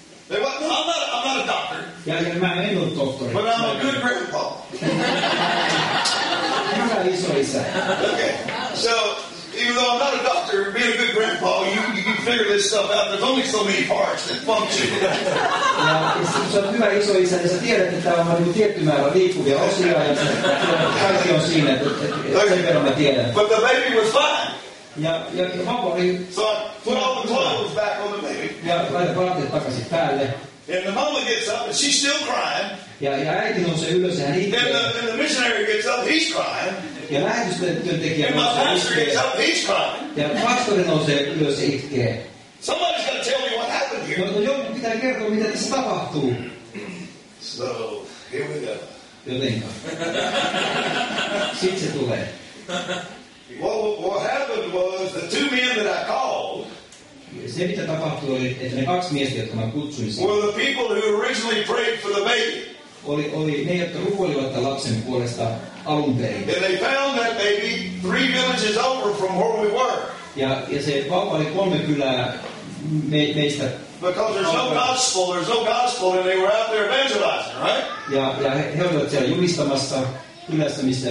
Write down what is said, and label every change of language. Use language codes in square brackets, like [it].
[en] I'm not a doctor. But I'm a good grandpa. Okay. So, even though I'm not a doctor, being a good grandpa, you can figure this stuff out. There's only so many parts that function. [fi] Sä oot hyvä isoisä, ja sä tiedät, että tää on niinku tietty määrä liikkuvia osia, ja kaikki on siinä, että sen verran mä tiedän. [en] But the baby was fine. [fi] Ja vauva oli... [en] So I put all the clothes back on the baby. [fi] Ja laitan vaatteet takaisin päälle. [en] And the mama gets up, and she's still crying. [fi] Ja äiti nousee ylös, ja hän itkee. [en] And the missionary gets up, he's crying. [fi] Ja lähetystyöntekijä nousee ylös. [en] And my pastor gets up, he's crying. [fi] Ja pastori nousee ylös, ja itkee. [en] Somebody's gonna tell me what happened here. [fi] No, joku pitää kertoa, mitä tässä tapahtuu. [en] So, here we go. [fi] Jotenka. Sitten se tulee. [en] What happened was, the two men that I called, [fi] se mitä tapahtui, oli, että ne kaksi miestä, jotka mä kutsuin sinne, [en] were the people who originally prayed for the baby. [fi] Oli ne, jotka rukoilivat lapsen puolesta alun perin. [en] And they found that baby 3 villages over from where we were. [fi] Ja se vauva oli 3 kylää meistä. [en] Because there's no gospel, and they were out there evangelizing, right? [fi] Ja he olivat siellä julistamassa kylässä, missä...